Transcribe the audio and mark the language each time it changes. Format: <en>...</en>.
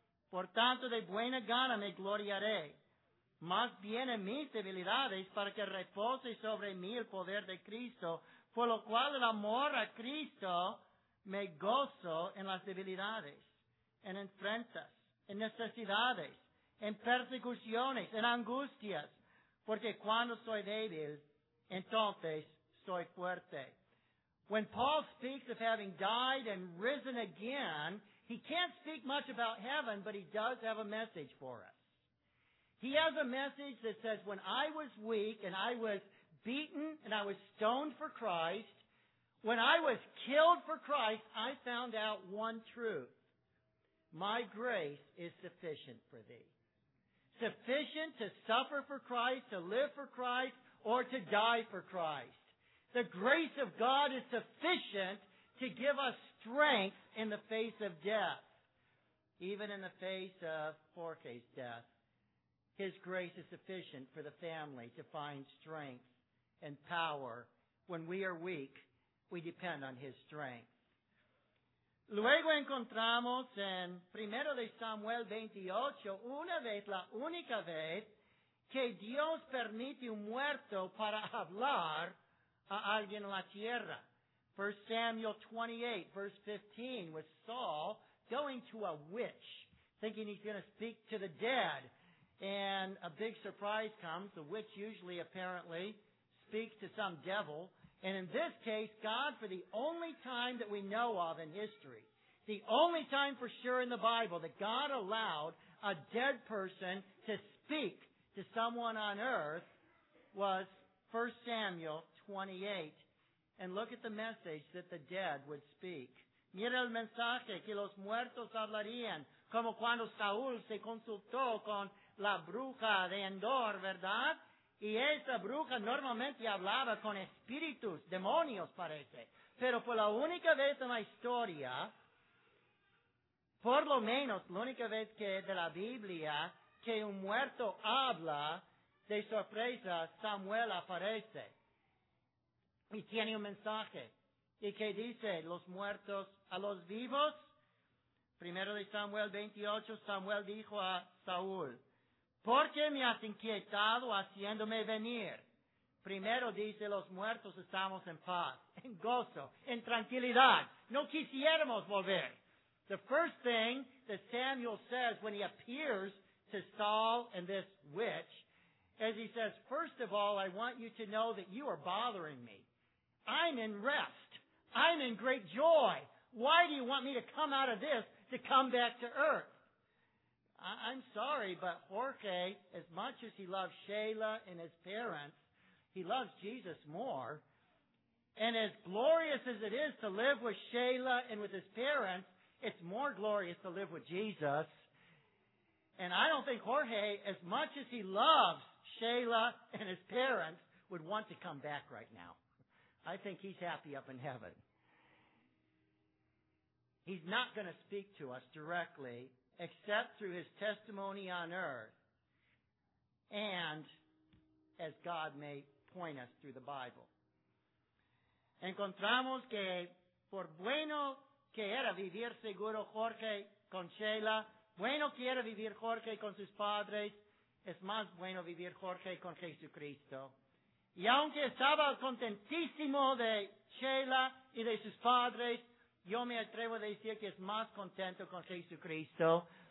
<es>Por tanto, de buena gana me gloriaré. Más bien en mis debilidades, para que repose sobre mí el poder de Cristo, por lo cual el amor a Cristo me gozo en las debilidades, en enfrentas, en necesidades, en persecuciones, en angustias, porque cuando soy débil, entonces soy fuerte.</es> <en>When Paul speaks of having died and risen again, he can't speak much about heaven, but he does have a message for us. He has a message that says, when I was weak and I was beaten and I was stoned for Christ, when I was killed for Christ, I found out one truth. My grace is sufficient for thee. Sufficient to suffer for Christ, to live for Christ, or to die for Christ. The grace of God is sufficient to give us strength in the face of death. Even in the face of Jorge's death, his grace is sufficient for the family to find strength and power. When we are weak, we depend on his strength.</en> <es>Luego encontramos en 1 Samuel 28, una vez, la única vez, que Dios permite un muerto para hablar a alguien en la tierra.</es> <en>1 Samuel 28, verse 15, with Saul going to a witch, thinking he's going to speak to the dead. And a big surprise comes. The witch usually, apparently, speaks to some devil. And in this case, God, for the only time that we know of in history, the only time for sure in the Bible that God allowed a dead person to speak to someone on earth was 1 Samuel 28. And look at the message that the dead would speak.</en> <es>Mira el mensaje que los muertos hablarían, como cuando Saúl se consultó con la bruja de Endor, ¿verdad? Y esa bruja normalmente hablaba con espíritus, demonios parece. Pero por la única vez en la historia, por lo menos la única vez que de la Biblia, que un muerto habla, de sorpresa Samuel aparece y tiene un mensaje. ¿Y qué dice los muertos a los vivos? Primero de Samuel 28, Samuel dijo a Saúl, ¿por qué me has inquietado haciéndome venir? Primero dice, los muertos estamos en paz, en gozo, en tranquilidad. No quisiéramos volver.</es> <en>The first thing that Samuel says when he appears to Saul and this witch, as he says, first of all, I want you to know that you are bothering me. I'm in rest. I'm in great joy. Why do you want me to come out of this to come back to earth? I'm sorry, but Jorge, as much as he loves Shayla and his parents, he loves Jesus more. And as glorious as it is to live with Shayla and with his parents, it's more glorious to live with Jesus. And I don't think Jorge, as much as he loves Shayla and his parents, would want to come back right now. I think he's happy up in heaven. He's not going to speak to us directly, except through his testimony on earth and as God may point us through the Bible.</en> <es>Encontramos que por bueno que era vivir seguro Jorge con Sheila, bueno que era vivir Jorge con sus padres, es más bueno vivir Jorge con Jesucristo. Y aunque estaba contentísimo de Sheila y de sus padres, yo me atrevo a decir que es más contento con Jesucristo.</es>